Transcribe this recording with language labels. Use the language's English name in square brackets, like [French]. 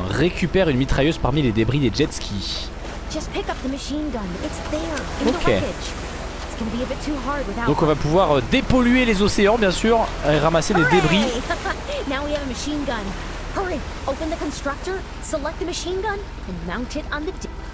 [French] Récupère une mitrailleuse parmi les débris des jet skis. [English] Just pick up the machine gun. It's there. In the wreckage. It's gonna be a bit too hard without. [French] Donc on va pouvoir dépolluer les océans, bien sûr, et ramasser des débris. [English] Now we have a machine gun. Hurry, open the constructor, select the machine gun and mount it on the deck.